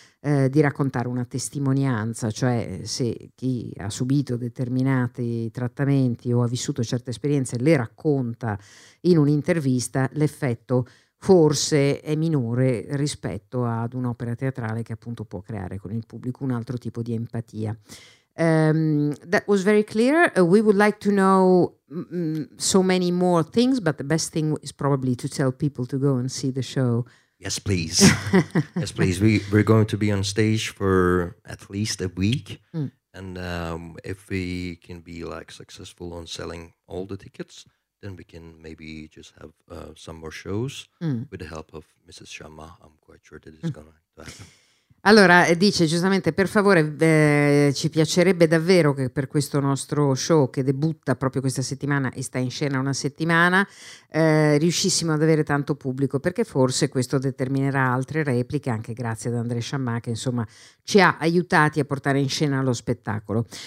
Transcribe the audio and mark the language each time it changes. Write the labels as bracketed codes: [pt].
[it] di raccontare una testimonianza, cioè se chi ha subito determinati trattamenti o ha vissuto certe esperienze le racconta in un'intervista, l'effetto forse è minore rispetto ad un'opera teatrale che appunto può creare con il pubblico un altro tipo di empatia. [en] That was very clear. We would like to know so many more things, but the best thing is probably to tell people to go and see the show. Yes, please. Yes, please. We're going to be on stage for at least a week. Mm. And if we can be like successful on selling all the tickets, then we can maybe just have some more shows with the help of Mrs. Sharma. I'm quite sure that it's going to happen. [it] Allora, dice giustamente, per favore, ci piacerebbe davvero che per questo nostro show, che debutta proprio questa settimana e sta in scena una settimana, riuscissimo ad avere tanto pubblico, perché forse questo determinerà altre repliche, anche grazie ad André Chamma, che insomma ci ha aiutati a portare in scena lo spettacolo.